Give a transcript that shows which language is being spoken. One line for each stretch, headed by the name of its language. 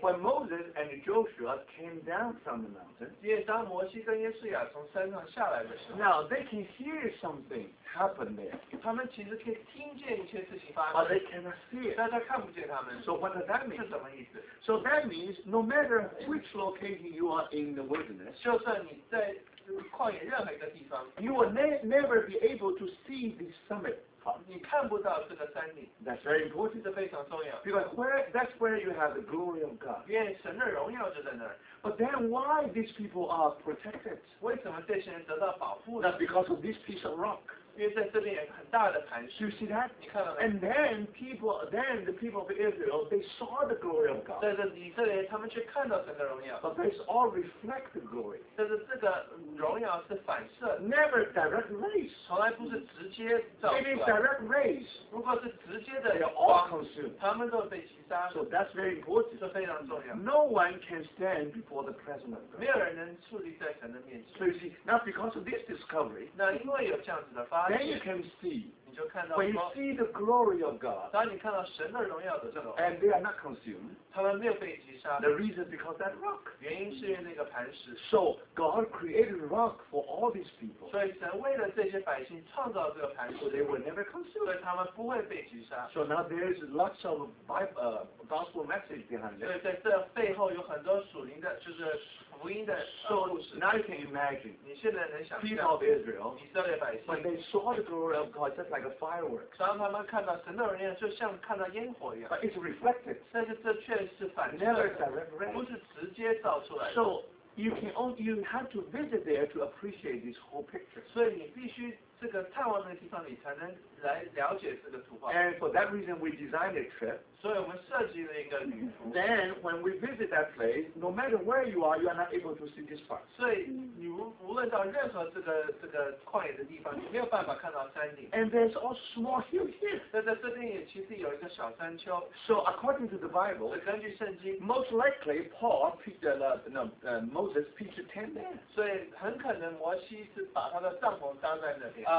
English: when Moses and Joshua came down from the mountain,
Chinese: 因为当摩西跟耶稣亚从山上下来的时候
English: now they can hear something happen there.
Chinese: 他们其实可以听见一些事情发生
English: but they cannot see it.
Chinese: 但他看不见他们
English: So what does that mean?
Chinese: 是什么意思
English: So that means no matter which location you are in the wilderness,
Chinese: 就算你在旷野任何一个地方
English: you will never be able to see the summit.
Chinese: 你看不到这个山顶。
English: That's very important.
Chinese: 这非常重要。
English: Because that's where you have the glory of God.
Chinese: 因为神的荣耀就在那儿。
English: But then why these people are protected?
Chinese: 为什么这些人得到保护
English: ？Now because of this piece of rock.
Chinese: 因为在这边有很大的磐石。
English: You see that?
Chinese: 你看到没
English: ？And then the people of Israel they saw the glory of God.
Chinese: 但是以色列他们却看到神的荣耀。
English: But this all reflect the glory.
Chinese: 但是这个荣耀是反射。
English: Never direct rays.
Chinese: 从来不是直接照出来。
English: It is direct rays.
Chinese: 如果是直接的
English: ，they all consumed.
Chinese: 他们都被击杀。
English: So that's very important.
Chinese: 这非常重要。
English: No one can stand before. For the present of God.
Chinese: 没有人能矗立在神的面前。
English: So you see, now because of this discovery,
Chinese: 那因为有这样子的发现
English: then you can see,
Chinese: 你就看到
English: when you see the glory of God,
Chinese: 当你看到神的荣耀的时候
English: and they are not consumed,
Chinese: 他们没有被击杀。
English: The reason because that rock,
Chinese: 原因是因为那个磐石。
English: So God created rock for all these people.
Chinese: 所以神为了这些百姓创造这个磐石。
English: So they were never consumed.
Chinese: 所以他们不会被击杀。
English: So now there is lots of gospel message behind it.
Chinese: 所以在这背后有很多属灵的。就是福音的故事。
English: So now you can imagine,
Chinese: 你现在能想象
English: people of Israel,
Chinese: 以色列百姓
English: when they saw the glory of God, just like a fireworks.
Chinese: 当他们看到神的荣耀，就像看到烟火一样。
English: But it's reflected.
Chinese: 但是这确实是反射的。
English: Never direct rain.
Chinese: 不是直接照出来的。
English: So you have to visit there to appreciate this whole picture.
Chinese: 所以你必须这个探望那个地方，你才能来了解这个图画。
English: And for that reason, we designed a trip.
Chinese: 所以我们设计了一个旅途。
English: Then when we visit that place, no matter where you are not able to see this part.
Chinese: 所以你无论到任何这个旷野的地方，你没有办法看到山顶。
English: And there's also small hill here.
Chinese: 但在这边也其实有一个小山丘。
English: So according to the Bible,
Chinese: 根据圣经
English: ，most likely Paul pitched Moses pitched a tent there.
Chinese: 所以很可能摩西是把他的帐篷搭在那边。